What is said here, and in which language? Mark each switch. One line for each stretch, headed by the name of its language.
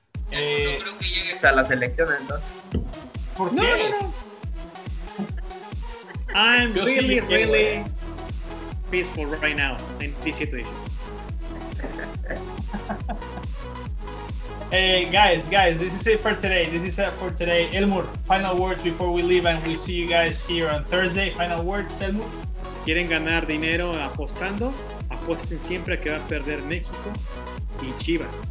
Spanish: No creo que llegues a la selección, entonces. ¿Por qué? No.
English: I'm really, really peaceful right now in this situation. Hey, guys, this is it for today. Elmur, final words before we leave and we see you guys here on Thursday. Final words, Elmur.
Spanish: ¿Quieren ganar dinero apostando? Apuesten siempre a que va a perder México y Chivas.